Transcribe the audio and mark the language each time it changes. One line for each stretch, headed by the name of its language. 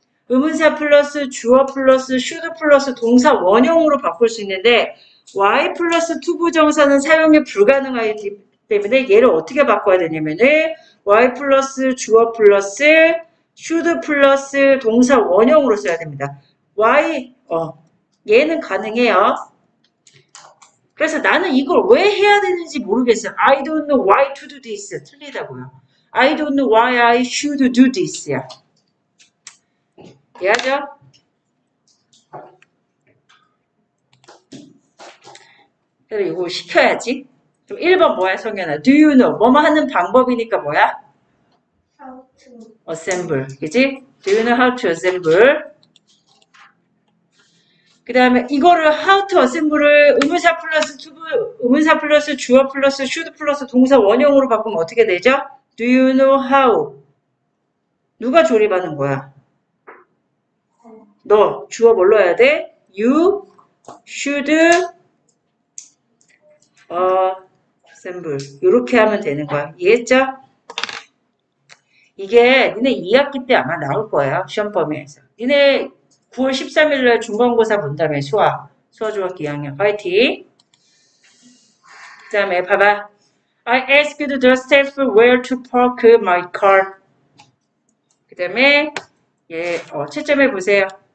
Korean: 의문사 플러스 주어 플러스 should 플러스 동사 원형으로 바꿀 수 있는데, Y 플러스 투부 정사는 사용이 불가능하기 때문에 얘를 어떻게 바꿔야 되냐면은, Y 플러스 주어 플러스 should 플러스 동사 원형으로 써야 됩니다.
English: Why?
Korean: 얘는 가능해요. 그래서 나는 이걸 왜 해야 되는지 모르겠어.
English: I don't know why to do this.
Korean: 틀리다고요.
English: I don't know why I should do this야.
Korean: 이해하죠? 그래서 이거 시켜야지. 그럼 1번 뭐야, 성현아?
English: Do you know?
Korean: 뭐뭐 하는 방법이니까 뭐야?
English: How to. assemble,
Korean: 그지?
English: Do you know how to assemble?
Korean: 그 다음에 이거를 how to assemble을 의문사 플러스 to, 의문사 플러스 주어 플러스 should 플러스 동사 원형으로 바꾸면 어떻게 되죠?
English: Do you know how?
Korean: 누가 조립하는 거야? 너, 주어 뭘로 해야 돼?
English: You should assemble.
Korean: 이렇게 하면 되는 거야. 이해했죠? 이게 니네 2학기 때 아마 나올 거야. 시험 범위에서. 니네 9월 13일날 중간고사 본다며, 수아. 수아 중학교 2학년. 파이팅. 그 다음에 봐봐.
English: I asked the staff where to park my car.
Korean: 그 다음에, 예, 채점해 보세요.